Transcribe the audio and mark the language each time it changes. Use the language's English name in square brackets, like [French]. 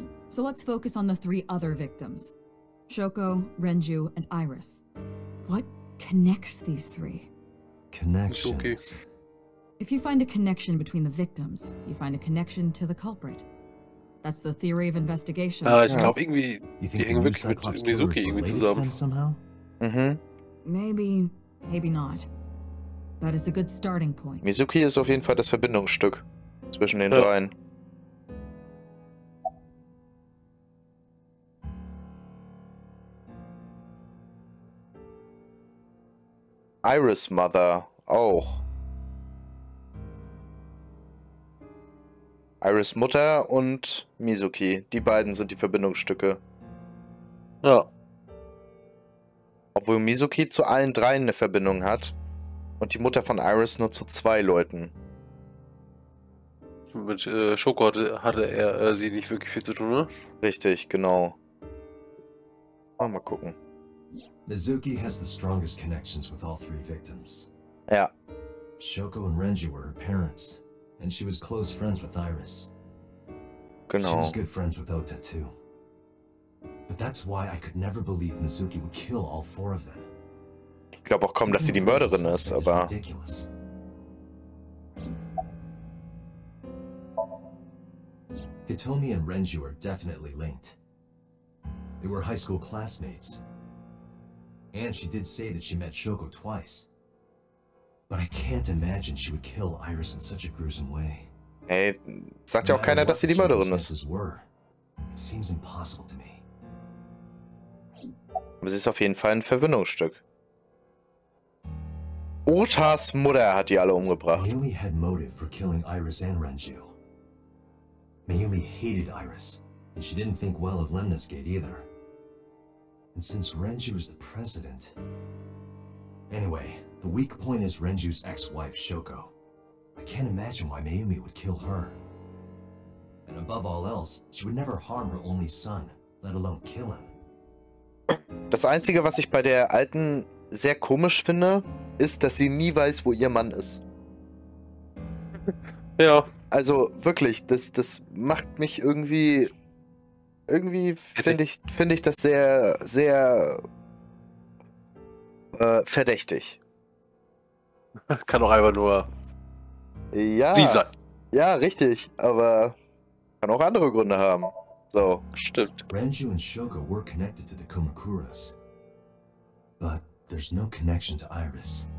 [English] So let's focus on the 3 other victims. Shoko, Renju, and Iris. What connects these 3? Connections. If you find a connection between the victims, you find a connection to the culprit. That's the theory of investigation. [German] Ich glaube irgendwie, [English] you think [German] die hängen wirklich mit Mizuki irgendwie zusammen. [English] Maybe not. That is a good starting point. [German] Mizuki ist auf jeden Fall das Verbindungsstück zwischen den dreien. Iris Mother auch. Iris Mutter und Mizuki, die beiden sind die Verbindungsstücke. Ja. Obwohl Mizuki zu allen dreien eine Verbindung hat und die Mutter von Iris nur zu 2 Leuten. Mit Shoko hatte er sie nicht wirklich viel zu tun, ne? Richtig, genau. Mal gucken. [English] Mizuki has the strongest connections with all 3 victims. [German] Ja. [English] Shoko und Renji were her parents. And she was close friends with Iris. [German] Genau. [English] She was good friends with Ota too. But that's why I could never believe Mizuki would kill all 4 of them. [German] Ich glaube auch kaum, dass sie die Mörderin ist, aber... [English] Hitomi and Renju are definitely linked. They were high school classmates. And she did say that she met Shoko twice. But I can't imagine she would kill Iris in such a gruesome way. [German] Hey, sagt ja auch keiner, dass sie die Mörderin ist. [English] It seems impossible to me. [German] Aber sie ist auf jeden Fall ein Verbindungsstück. Otas Mutter hat die alle umgebracht. [English] Mayumi had motive for killing Iris and Renju. Mayumi hated Iris, and she didn't think well of Lemnos Gate either. And since Renju is the president... Anyway... The weak point is Renju's ex-wife, Shoko. I can't imagine why Mayumi would kill her. And above all else, she would never harm her only son, let alone kill him. [German] Das Einzige, was ich bei der Alten sehr komisch finde, ist, dass sie nie weiß, wo ihr Mann ist. Ja. Also wirklich, das macht mich irgendwie... Irgendwie finde ich das sehr, sehr... verdächtig. Kann auch einfach nur ja, sie sein. Ja, richtig, aber kann auch andere Gründe haben. So. Stimmt. [English] Renju und Shoko were connected to the Komakuras. But there's no connection to Iris.